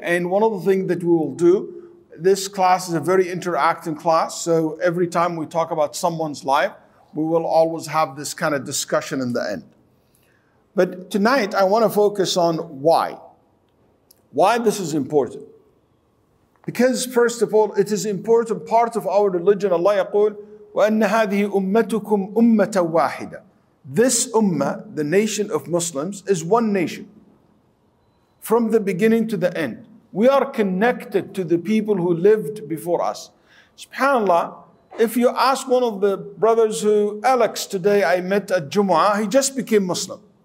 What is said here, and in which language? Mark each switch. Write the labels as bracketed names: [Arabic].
[English] And one of the things that we will do, this class is a very interactive class, so every time we talk about someone's life, we will always have this kind of discussion in the end. But tonight, I want to focus on why. Why this is important? Because first of all, it is important part of our religion. [Arabic] Allah يقول وَأَنَّ هَذِهِ أُمَّتُكُمْ أُمَّةً وَاحِدًا. [English] This ummah, the nation of Muslims, is one nation. From the beginning to the end. We are connected to the people who lived before us. SubhanAllah, if you ask one of the brothers who, Alex, today I met at Jumu'ah, he just became Muslim.